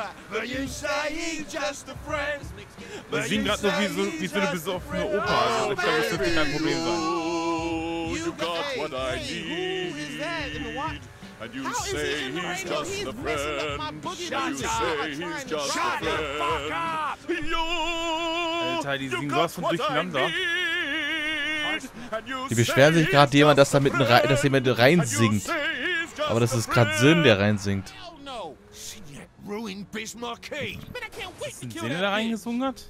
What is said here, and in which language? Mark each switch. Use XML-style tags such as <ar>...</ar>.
<en>But you say he's just a friend.</en> <de>Wir singen gerade nur wie so eine besoffene Opa. Also, ich glaube, das wird kein Problem sein.</de> <en>You got what I need. And you say he's just a friend. Shut up. Shut the fuck up.</en> <de>Alter, die singen sowas von durcheinander. Die beschweren sich gerade jemand, dass jemand reinsingt. Aber das ist gerade Sinn, der reinsingt. Hat Sinn da reingesungen?</de>